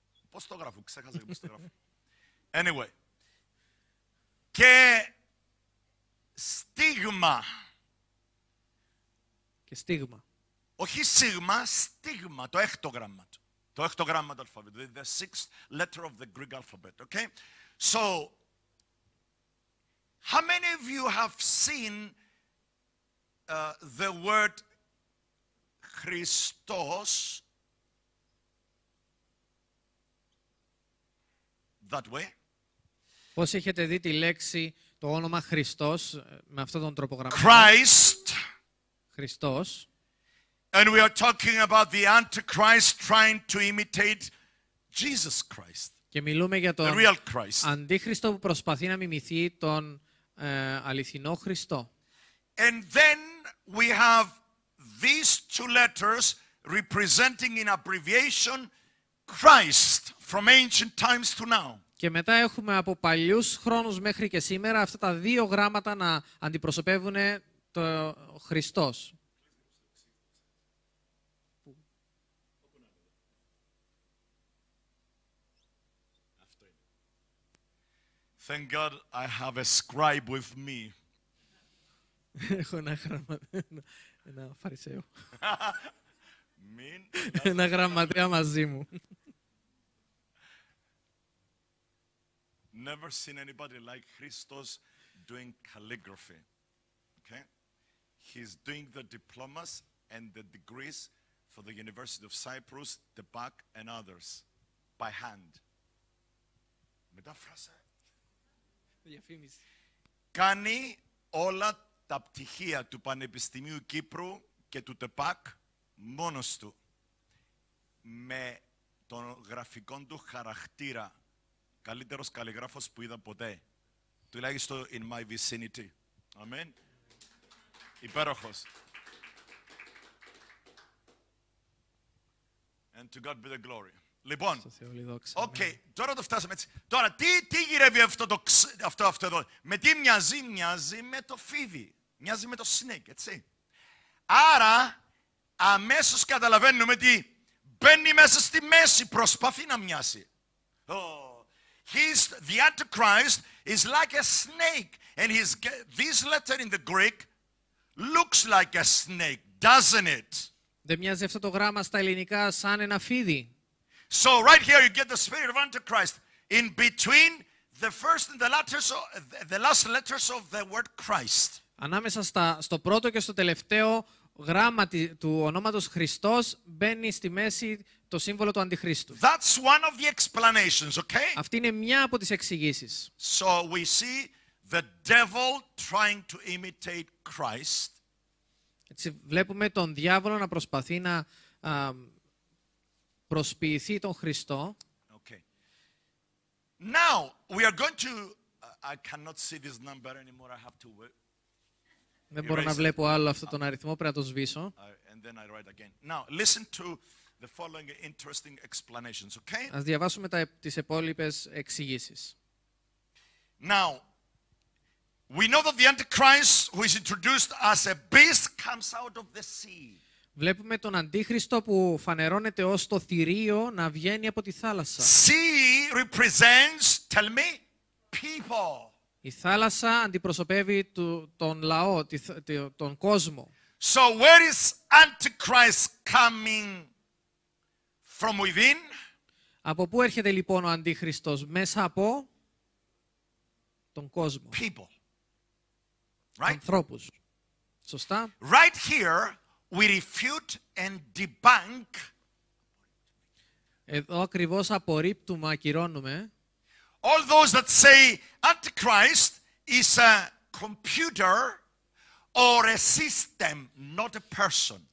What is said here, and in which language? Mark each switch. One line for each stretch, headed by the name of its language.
Greek: Πώς το γράφω, ξέχασα πώς το γράφω.
English: Anyway.
Greek: Και στίγμα. Και στίγμα. Όχι σίγμα, στίγμα, το έκτο γράμμα του. Το έκτο γράμμα του αλφαβήτου.
English: The sixth letter of the Greek alphabet, okay? So, how many of you have seen the word Christos, that way?
Greek: Πώς έχετε δει τη λέξη, το όνομα Χριστός, με αυτόν τον τρόπο γραμμένο?
English: Christ.
Greek: Χριστός.
English: And we are talking about the Antichrist trying to imitate Jesus Christ.
Greek: Και μιλούμε για τον αντίχριστο που προσπαθεί να μιμηθεί τον αληθινό Χριστό.
English: And then we have these two letters representing in abbreviation Christ from ancient times to now.
Greek: Και μετά έχουμε από παλιούς χρόνους μέχρι και σήμερα αυτά τα δύο γράμματα να αντιπροσωπεύουν το Χριστός.
English: Thank God I have a scribe with me.
Greek: Έχω ένα γραμματέα, ένα φαρισαίο. Μην. Ένα γραμματέα μαζί μου.
English: Never seen anybody like Christos doing calligraphy. Okay? He's doing the diplomas and the degrees for the University of Cyprus, the back and others. by hand.
Greek: Μετάφρασα. Διαφήμιση. Κάνει όλα τα πτυχία του Πανεπιστημίου Κύπρου και του ΤΕΠΑΚ μόνος του. Με τον γραφικό του χαρακτήρα. Καλύτερος καλλιγράφος που είδα ποτέ. Τουλάχιστον
English: in my vicinity.
Greek: Αμήν. Υπέροχος.
English: And to God be the glory.
Greek: Λοιπόν, okay, τώρα το φτάσαμε έτσι. Τώρα, τι γυρεύει αυτό εδώ. Με τι μοιάζει. Μοιάζει με το φίδι. Μοιάζει με το snake, έτσι. Άρα, αμέσως καταλαβαίνουμε ότι μπαίνει μέσα στη μέση. Προσπαθεί να μοιάσει. Oh.
English: The Antichrist is like a snake. And this letter in the Greek looks like a snake, doesn't it?
Greek: Δεν μοιάζει αυτό το γράμμα στα ελληνικά σαν ένα φίδι.
English: So right here you get the spirit of Antichrist in between the first and the last letters of the word Christ.
Greek: Ανάμεσα στο πρώτο και στο τελευταίο γράμμα του ονόματος Χριστός μπαίνει στη μέση το σύμβολο του Αντιχρίστου.
English: That's one of the explanations, okay?
Greek: Αυτή είναι μια από τις εξηγήσεις.
English: So we see the devil trying to imitate Christ.
Greek: Έτσι, βλέπουμε τον διάβολο να προσπαθεί να προσποιηθεί τον Χριστό.
English: Okay. Now we are going to. I cannot see this number anymore. I have to.
Greek: Δεν μπορώ να βλέπω άλλο αυτόν τον αριθμό. Πρέπει να το σβήσω.
English: And then I write again. Now listen to the following interesting explanations. Okay.
Greek: Ας διαβάσουμε τις επόμενες εξηγήσεις.
English: Now. We know that the Antichrist, who is introduced as a beast, comes out of the sea.
Greek: Βλέπουμε τον Αντίχριστο που φανερώνεται ως το θηρίο να βγαίνει από τη θάλασσα.
English: Sea represents, tell me, people.
Greek: Η θάλασσα αντιπροσωπεύει τον λαό, τον κόσμο.
English: So where is Antichrist coming from within?
Greek: Από πού έρχεται λοιπόν ο Αντίχριστος? Μέσα από τον κόσμο.
English: People.
Greek: Ανθρώπους. Σωστά.
English: Right here we refute and debunk.
Greek: Εδώ ακριβώς απορρίπτουμε, ακυρώνουμε.
English: All those that say Antichrist is a computer or a system, not a person.